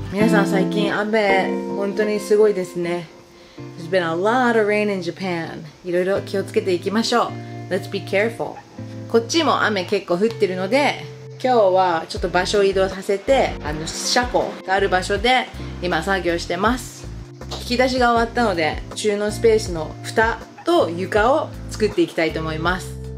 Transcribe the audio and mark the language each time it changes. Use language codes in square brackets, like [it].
[ja] さん、最近雨本当にすごいですね。 [en] There's been a lot of rain in Japan. [ja] いろいろ気をつけていきましょう。 [en] Let's be careful. [ja] こっちも雨結構降ってるので、今日はちょっと場所を移動させて、あの車庫がある場所で今作業してます。引き出しが終わったので、収納スペースの蓋と床を作っていきたいと思います。